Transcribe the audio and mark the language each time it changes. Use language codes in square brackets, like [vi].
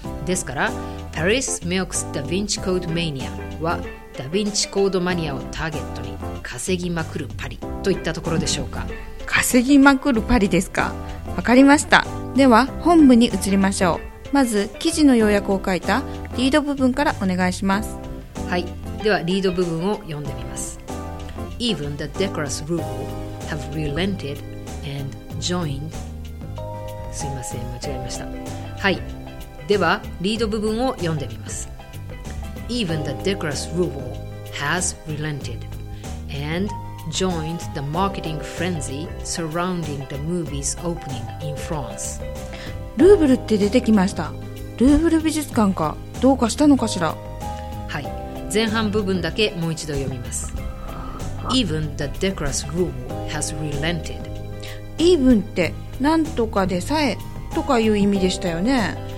[ja] ですから [en] Paris Milks Da Vinci Code Mania [ja] はダヴィンチコードマニアをターゲットに稼ぎまくるパリといったところでしょうか。稼ぎまくるパリですか。わかりました。では本部に移りましょう。まず記事の要約を書いたリード部分からお願いします。はい、ではリード部分を読んでみます。 [en] Even the decorous rule have relented and joined。 [ja] すいません、間違えました。はい、ではリード部分を読んでみます。 [en] Even the decorous rule has relented and joined the marketing frenzy surrounding the movie's opening in France。 [ja] ルーブルって出てきました。ルーブル美術館か、どうかしたのかしら。はい、前半部分だけもう一度読みます。 [en] Even the decorous rule has relented。 [ja] Even ってなんとかでさえとかいう意味でしたよね。